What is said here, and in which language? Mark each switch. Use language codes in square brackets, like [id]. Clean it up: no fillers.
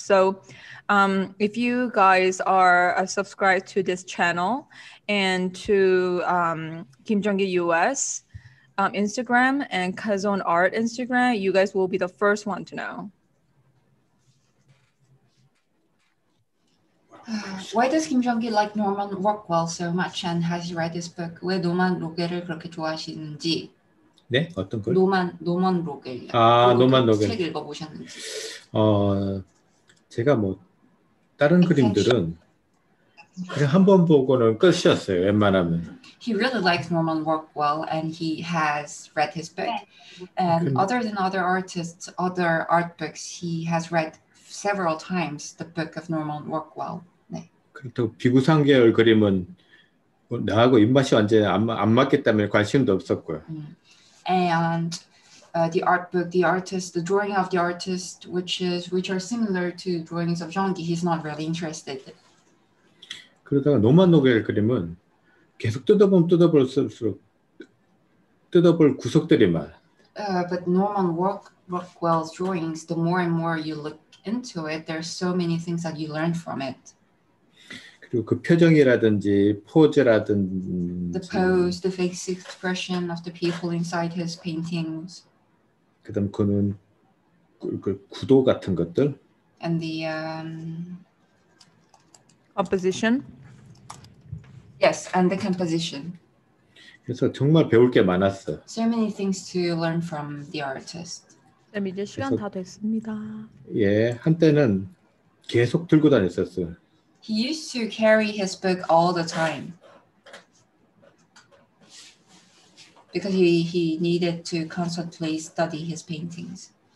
[en] So if you guys are subscribed to this channel and to Kim Jong-gi US Instagram and Kazon Art Instagram, you guys will be the first one to know. Why does Kim Jong-gi like Norman Rockwell so much and has he read this book? [ko] 왜 노만 로겔을 그렇게 좋아하시는지? 네? 어떤 걸? 노만 로겔. 아, 노만 로겔. 책 읽어보셨는지. 제가 뭐 다른 그림들은 그냥 한 번 보고는 끝이었어요, 웬만하면. [en] He really likes Norman Rockwell and he has read his book. And other than other artists, other art books, he has read several times the book of Norman Rockwell. [ko] 네. 그리고 비구상계열 그림은 나하고 입맛이 완전 안 맞기 때문에 관심도 없었고요. [en] And the art book, the artist, the drawing of the artist, which are similar to drawings of Zhonggi, he's not really interested. [ko] 그러다가 노만 로겔 그림은 계속 뜯어보면 뜯어볼수록 뜯어볼 구석들이 많아. [en] But Norman Rockwell's drawings, the more and more you look into it, there are so many things that you learn from it. [ko] 그리고 그 표정이라든지 포즈라든지 [en] the pose, the face expression of the people inside his paintings. [ko] 그다음 그는 그 구도 같은 것들 [en] and the composition. Yes, and the composition. [ko] 그래서 정말 배울 게 많았어. [en] So many things to learn from the artist. [ko] 네, 이제 시간 다 됐습니다. 예, 한때는 계속 들고 다녔었어요. [en] He used to carry his book all the time. Because he needed to constantly study his paintings.